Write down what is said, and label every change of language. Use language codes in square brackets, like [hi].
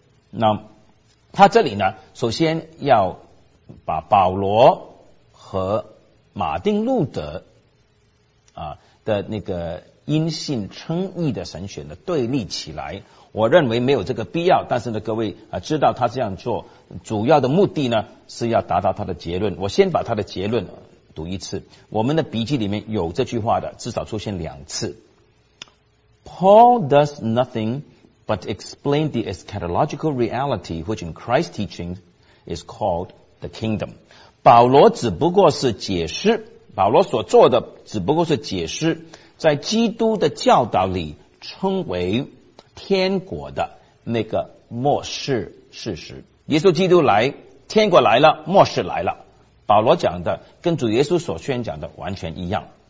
[zh] 那他这里呢，首先要把保罗和马丁路德的那个因信称义的神学呢对立起来。我认为没有这个必要，但是呢各位知道他这样做主要的目的呢是要达到他的结论。我先把他的结论读一次，我们的笔记里面有这句话的，至少出现两次。 [en] Paul does nothing but explain the eschatological reality which in Christ's teaching is called the kingdom。 [zh] 保罗只不过是解释，保罗所做的只不过是解释在基督的教导里称为天国的那个末世事实。耶稣基督来，天国来了，末世来了，保罗讲的跟主耶稣所宣讲的完全一样。